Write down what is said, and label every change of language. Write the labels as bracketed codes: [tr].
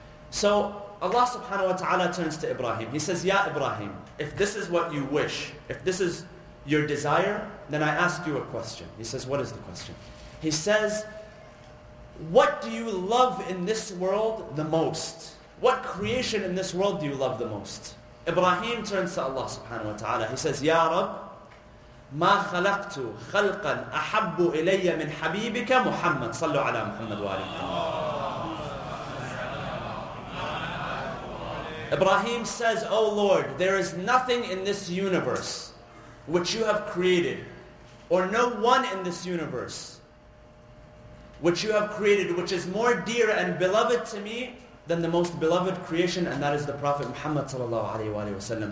[en] So Allah subhanahu wa ta'ala turns to Ibrahim. He says, Ya Ibrahim, if this is what you wish, if this is your desire, then I ask you a question. He says, what is the question? He says, what do you love in this world the most? What creation in this world do you love the most? Ibrahim turns to Allah subhanahu wa ta'ala. He says, [ar] Ya Rab, ما خلقت خلقا أحب إلي من حبيبك محمد صلى على محمد وآل محمد. [en] Ibrahim says, "Oh Lord, there is nothing in this universe which you have created, or no one in this universe which you have created, which is more dear and beloved to me than the most beloved creation, and that is the Prophet Muhammad sallallahu alaihi wasallam."